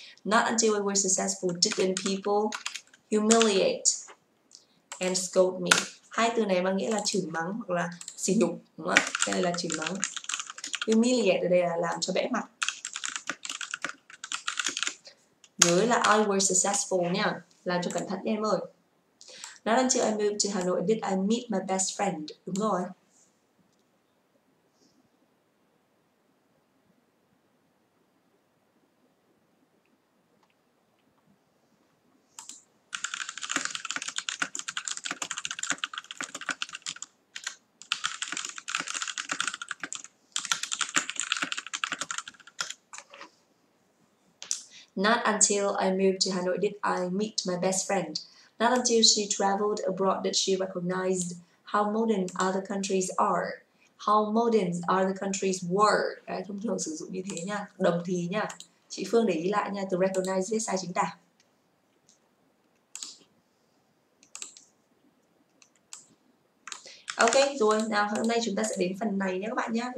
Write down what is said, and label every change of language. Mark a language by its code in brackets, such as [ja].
[en] Not until we were successful didn't people humiliate and scold me. [vi] Hai từ này mang nghĩa là chửi mắng hoặc là sỉ nhục đúng không ạ? Cái này là chửi mắng. Humiliate ở đây là làm cho bẽ mặt. Nhớ là [en] I were successful [vi] nha. Làm cho cẩn thận nha em ơi. [en] Not until I moved to Hà Nội did I meet my best friend. [vi] Đúng rồi. [en] Not until I moved to Hà Nội did I meet my best friend. Not until she traveled abroad that she recognized how modern other countries are. How modern other countries were. [vi] Đấy, thông thường sử dụng như thế nha. Đồng thì nha. Chị Phương để ý lại nha. Từ recognize viết sai chính tả. Ok, rồi. Nào, hôm nay chúng ta sẽ đến phần này nha các bạn nhé. Về nhà các bạn nhớ là xem lại bài cho cô nha. [en] That's all for today. Bye bye, see you.